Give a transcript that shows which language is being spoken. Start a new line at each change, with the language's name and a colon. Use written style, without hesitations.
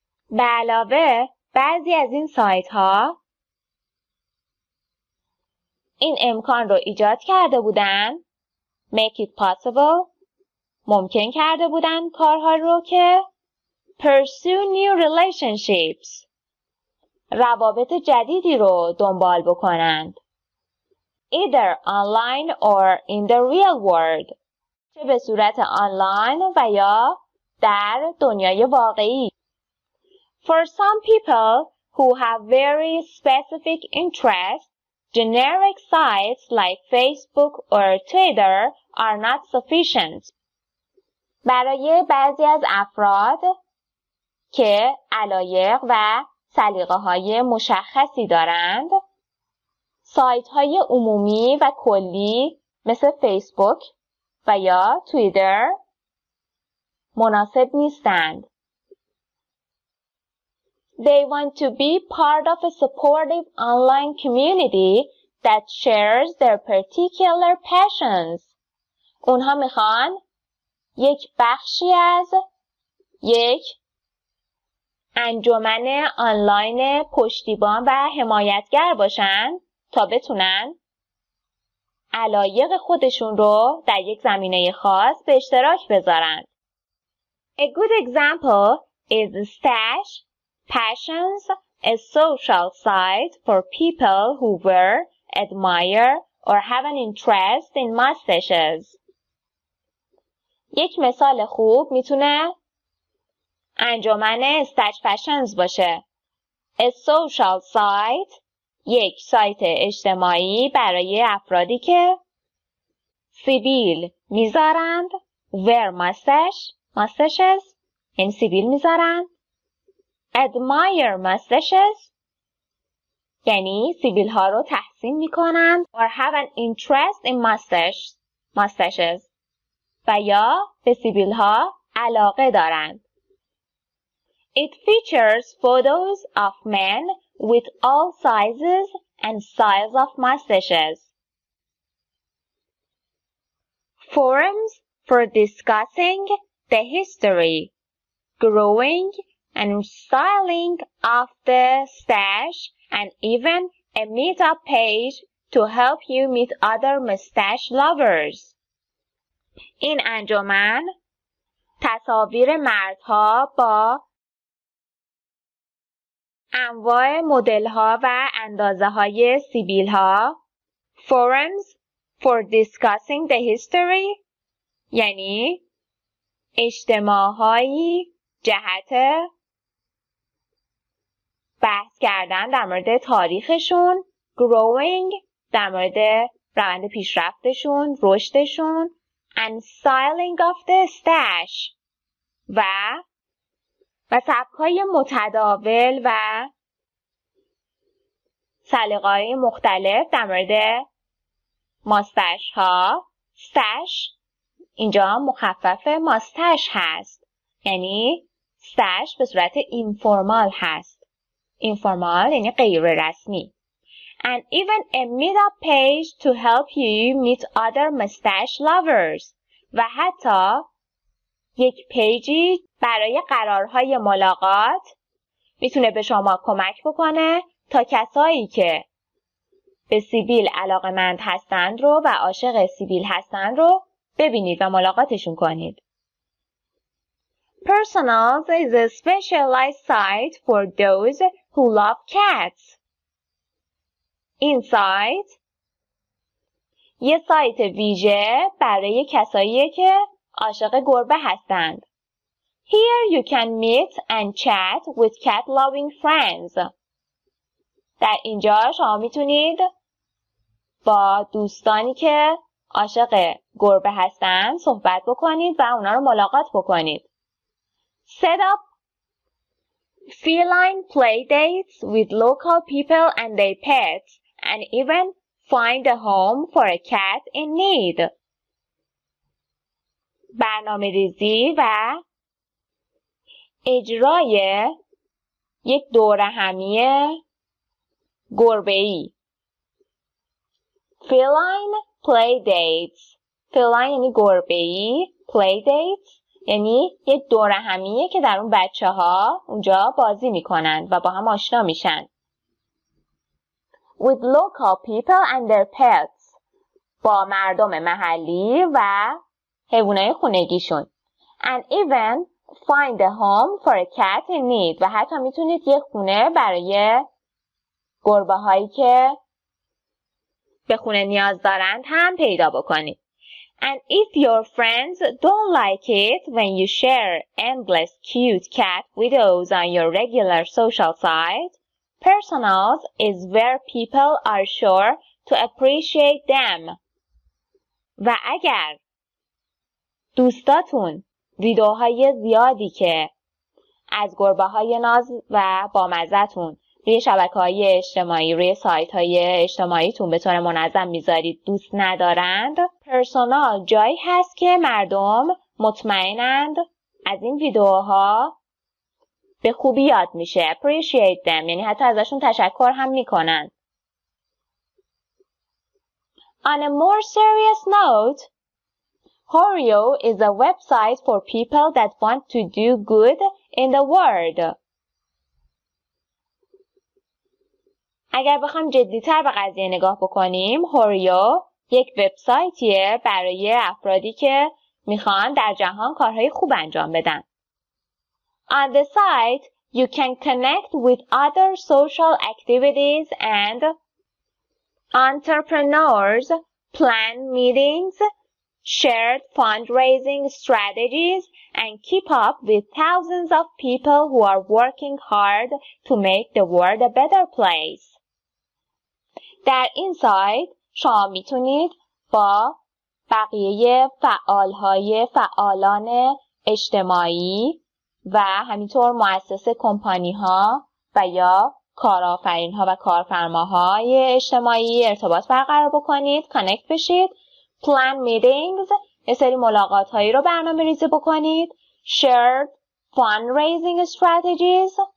Persian: به علاوه، بعضی از این سایت ها این امکان رو ایجاد کرده بودن،
English: make it possible،
Persian: ممکن کرده بودن کارها رو که
English: pursue new relationships،
Persian: روابط جدیدی رو دنبال بکنند،
English: either online or in the real world،
Persian: چه به صورت آنلاین و یا در دنیای واقعی.
English: For some people who have very specific interests, generic sites like Facebook or Twitter are not sufficient.
Persian: برای بعضی از افراد که علایق و سلیقه های مشخصی دارند، سایت های عمومی و کلی مثل فیسبوک و یا توییتر مناسب نیستند.
English: They want to be part of a supportive online community that shares their particular passions.
Persian: اونها میخوان یک بخشی از یک انجمن آنلاین پشتیبان و حمایتگر باشن تا بتونن علایق خودشون رو در یک زمینه خاص به اشتراک بذارن.
English: A good example is Stash Passions, a social site for people who wear, admire or have an interest in mustaches.
Persian: یک مثال خوب میتونه انجمن استچ فشنز باشه.
English: A social site،
Persian: یک سایت اجتماعی برای افرادی که سیبیل میذارند،
English: wear mustaches
Persian: این سیبیل میذارند،
English: admire mustaches
Persian: یعنی سیبیل ها رو تحسین میکنند،
English: or have an interest in mustaches
Persian: و یا به سیبیل ها علاقه دارند.
English: It features photos of men with all sizes and styles of mustaches. Forums for discussing the history, growing and styling of the stash, and even a meetup page to help you meet other mustache lovers. In
Persian: انجمن تصاویر مردها با انواع مدل ها و اندازه های سیبیل ها،
English: forums for discussing the history،
Persian: یعنی اجتماع هایی جهت بحث کردن در مورد تاریخشون،
English: growing
Persian: در مورد روند پیشرفتشون، رشدشون،
English: and styling of the stash
Persian: و سبکای متداول و سلیقه‌های مختلف در مورد ماستش ها. ستش اینجا مخفف ماستش هست، یعنی ستش به صورت اینفورمال هست. اینفورمال یعنی غیر رسمی.
English: And even a meetup page to help you meet other mustache lovers.
Persian: و حتی یک پیجی برای قرارهای ملاقات میتونه به شما کمک بکنه تا کسایی که به سیبیل علاقمند هستند رو و عاشق سیبیل هستند رو ببینید و ملاقاتشون کنید.
English: Personals is a specialized site for those who love cats.
Persian: این سایت یه سایت ویژه برای کساییه که عاشق گربه هستند.
English: Here you can meet and chat with cat loving friends.
Persian: در اینجا شما میتونید با دوستانی که عاشق گربه هستند صحبت بکنید و اونا رو ملاقات بکنید.
English: Set up feline play dates with local people and their pets. And even find a home for a cat in need.
Persian: برنامه ریزی و اجرای یک دوره همی گربه‌ای.
English: Feline play dates. Feline
Persian: یعنی گربه‌ای. Play dates یعنی یک دوره همیه که در اون بچه ها اونجا بازی میکنند و با هم آشنا میشن.
English: With local people and their pets.
Persian: با مردم محلی و حیوانای خونگیشون.
English: And even find a home for a cat in need.
Persian: و حتی میتونید یه خونه برای گربه هایی که به خونه نیاز دارند هم پیدا بکنید.
English: And if your friends don't like it when you share endless cute cat videos on your regular social site, Personals is where people are sure to appreciate them.
Persian: و اگر دوستاتون ویدیوهای زیادی که از گربه های ناز و بامزتون روی شبکه‌های اجتماعی، روی سایت‌های اجتماعیتون به طور منظم می‌ذارید دوست ندارند، پرسونال جایی هست که مردم مطمئنند از این ویدیوها به خوبی یاد میشه.
English: appreciate them
Persian: یعنی حتی ازشون تشکر هم میکنن.
English: On a more serious note, Horio is a website for people that want to do good in the world.
Persian: اگر بخوام جدیتر به قضیه نگاه بکنیم، Horio یک وبسایتیه برای افرادی که میخوان در جهان کارهای خوب انجام بدن.
English: On the site, you can connect with other social activities and entrepreneurs, plan meetings, share fundraising strategies, and keep up with thousands of people who are working hard to make the world a better place.
Persian: در این سایت شما میتونید با بقیه فعالان اجتماعی و همینطور مؤسسه کمپانی ها و یا کارآفرین ها و کارفرماهای اجتماعی ارتباط برقرار بکنید، کانکت بشید،
English: plan meetings
Persian: یه سری ملاقات هایی رو برنامه ریزی بکنید،
English: share fund raising strategies